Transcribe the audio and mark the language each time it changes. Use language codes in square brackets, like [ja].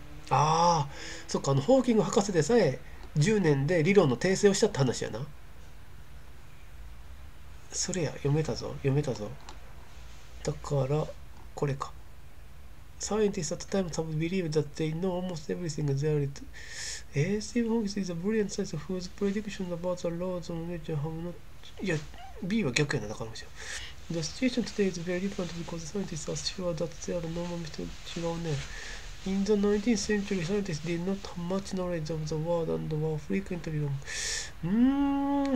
[ja] ああ、そっか、ホーキング博士でさえ10年で理論の訂正をしたって話やな。それや、読めたぞ、読めたぞ。だから、これか。 [en] Scientists at the time have believed that they know almost everything there is. Stephen Hawking is a brilliant scientist whose predictions about the laws of nature have not. [ja] B は逆やな、だからむしろ。 [en] The situation today is very different because scientists are sure that there are no more mistakes. [ja] 違うね。 [en] In the 19th century, scientists did not have much knowledge of the world and were frequently wrong.